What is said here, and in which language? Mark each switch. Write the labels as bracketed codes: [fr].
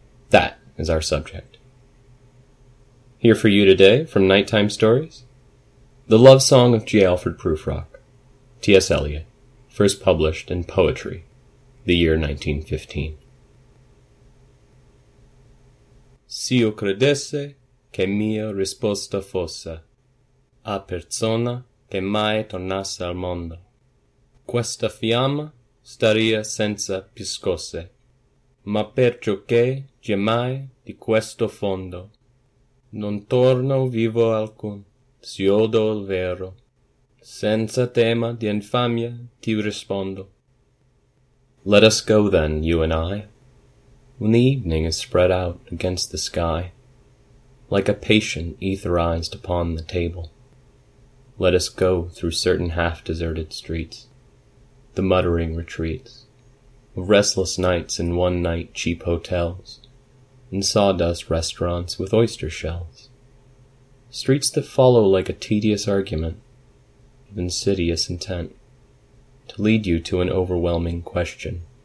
[en] That is our subject. Here for you today, from Nighttime Stories, the love song of G. Alfred Prufrock, T.S. Eliot, first published in Poetry, the year 1915. [it] Si io credesse che mia risposta fosse a persona che mai tornasse al mondo, questa fiamma staria senza piscosse, ma perciò che giammai di questo fondo non torno vivo alcun, si odo il vero, senza tema di infamia ti rispondo. [en] Let us go then, you and I. When the evening is spread out against the sky, like a patient etherized upon the table, let us go through certain half-deserted streets, the muttering retreats of restless nights in one-night cheap hotels and sawdust restaurants with oyster shells, streets that follow like a tedious argument of insidious intent to lead you to an overwhelming question.